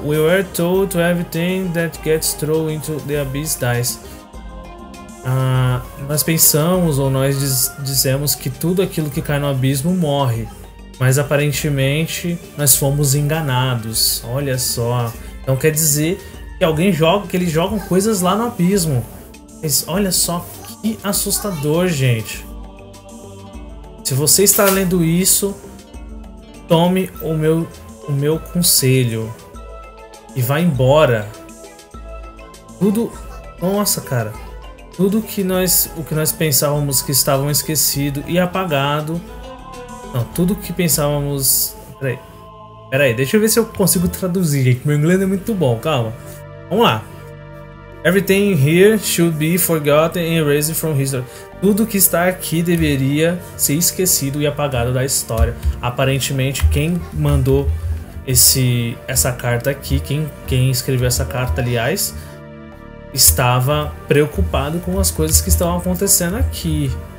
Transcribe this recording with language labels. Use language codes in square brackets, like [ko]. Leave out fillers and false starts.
[en] We were told to everything that gets thrown into the abyss dies. [pt] Nós pensamos, ou nós dizemos que tudo aquilo que cai no abismo morre. Mas aparentemente nós fomos enganados. Olha só. Então quer dizer que alguém joga, que eles jogam coisas lá no abismo. Mas olha só que assustador, gente. Se você está lendo isso, tome o meu conselho e vá embora. Tudo. Nossa, cara. Tudo que nós. O que nós pensávamos que estavam esquecido e apagado. Não, tudo que pensávamos. Peraí, deixa eu ver se eu consigo traduzir, gente. Meu inglês é muito bom, calma. Vamos lá. [en] Everything here should be forgotten and erased from history. [pt] Tudo que está aqui deveria ser esquecido e apagado da história. Aparentemente, quem mandou essa carta aqui, quem escreveu essa carta, aliás, estava preocupado com as coisas que estão acontecendo aqui.